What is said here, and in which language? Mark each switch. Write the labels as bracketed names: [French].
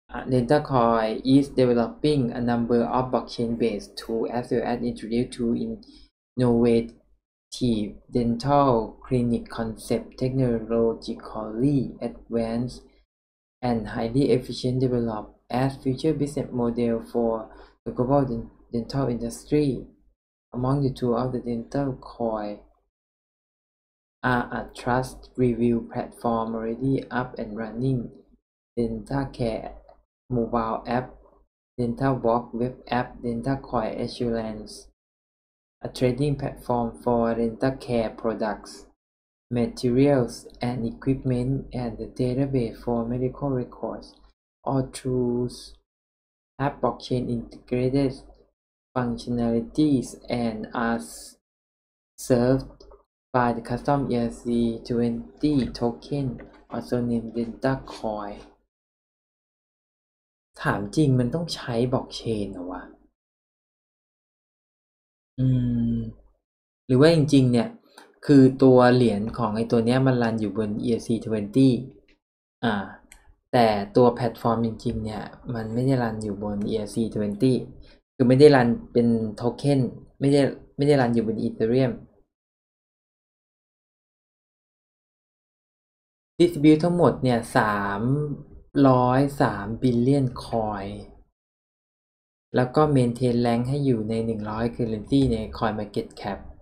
[English] Delta Coin is developing a number of blockchain based tools as well as introduce to inNovative dental clinic concept technologically advanced and highly efficient developed as future business model for the global dental industry. Among the two of the dental coin are a trust review platform already up and running, dental care mobile app, dental walk web app, dental coin assurance. A trading platform for dental care products, materials and equipment, and the database for medical records, all tools have blockchain integrated functionalities and are served by the custom ERC-20 token, also named DeltaCoin. [Thai] ถามจริงมันต้องใช้บล็อกเชนเหรอวะหรือว่าจริงๆเนี่ยคือตัวเหรียญของไอ้ตัวเนี้ยมันรันอยู่บน ERC20 แต่ตัวแพลตฟอร์มจริงๆเนี่ยมันไม่ได้รันอยู่บน ERC20 คือไม่ได้รันเป็นโทเค็นไม่ได้รันอยู่บน Ethereum Distribute ทั้งหมดเนี่ย [English] 303 billion coin [Thai] แล้วก็เมนเทนแรงให้อยู่ใน100 currency ใน Coin Market Cap